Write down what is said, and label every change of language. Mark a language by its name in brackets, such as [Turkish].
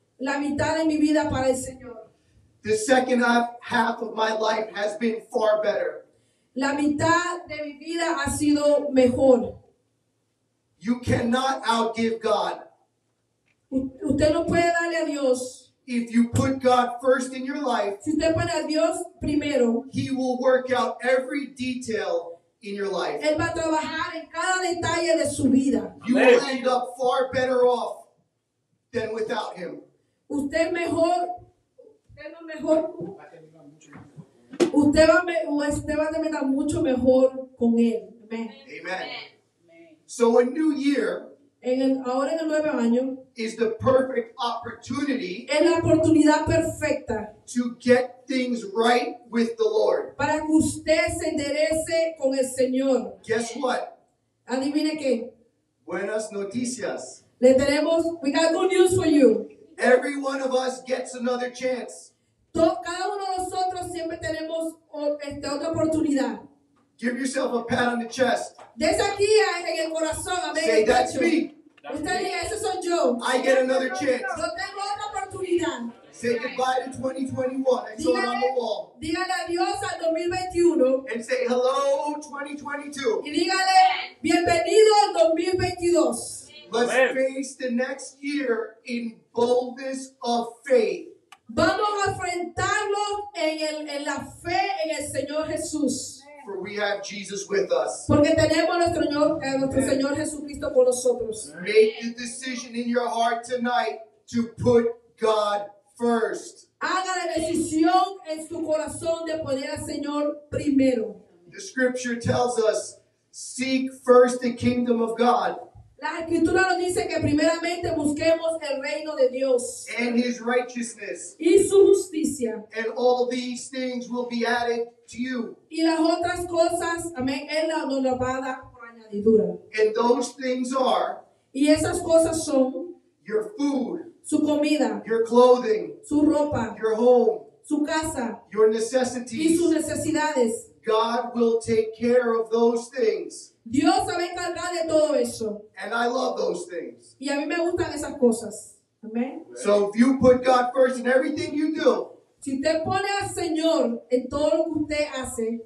[Spanish] La mitad de mi vida para el Señor. [English] The second half of my life has been far better. [Spanish] La mitad de mi vida ha sido mejor. [English] You cannot outgive God. [Spanish] Usted no puede darle a Dios. [English] If you put God first in your life, [Spanish] si usted pone a Dios primero, [English] He will work out every detail in your life. [Spanish] Él va a trabajar en cada detalle de su vida. [English] You Amen. Will end up far better off than without Him. [Spanish] Usted va a terminar mucho mejor con Él. [English] Amen. Amen. Amen. So a new year. [Spanish] Ahora en el nuevo año, [English] is the perfect opportunity, [Spanish] es la oportunidad perfecta, [English] to get things right with the Lord. [Spanish] Para que usted se enderece con el Señor. [English] Guess what? [Spanish] Adivine qué. Buenas noticias. Le tenemos, [English] we got good news for you. Every one of us gets another chance. [Spanish] Cada uno de nosotros siempre tenemos esta otra oportunidad. [English] Give yourself a pat on the chest. [Spanish] Desde aquí, en el corazón, [English] say, that's me. I get another chance. [Spanish] Yo tengo otra oportunidad. [English] Say goodbye to 2021 and go on the wall. [Spanish] Dígale adiós al 2021. [English] And say hello 2022. [Spanish] Y dígale bienvenido al 2022. [English] Let's Amen. Face the next year in boldness of faith. [Spanish] Vamos a enfrentarlo en la fe en el Señor Jesús. [English] For we have Jesus with us. [Spanish] Porque tenemos nuestro Señor Jesucristo con nosotros. [English] Make the decision in your heart tonight to put God first. [Spanish] Haga la decisión en su corazón de poner al Señor primero. [English] The scripture tells us, seek first the kingdom of God. [Spanish] La escritura nos dice que primeramente busquemos el reino de Dios. [English] And his righteousness. [Spanish] Y su justicia. [English] And all these things will be added to you. [Spanish] Y las otras cosas, amén, él nos las va a dar por añadidura. [English] And those things are. [Spanish] Y esas cosas son. [English] Your food. [Spanish] Su comida. [English] Your clothing. [Spanish] Su ropa. [English] Your home. [Spanish] Su casa. [English] Your necessities. [Spanish] Y sus necesidades. [English] God will take care of those things. [Spanish] Dios se va a encargar de todo eso. [English] And I love those things. [Spanish] Y a mí me gustan esas cosas. [English] Amen. So if you put God first in everything you do, [Spanish] si te pone al Señor en todo lo que usted hace,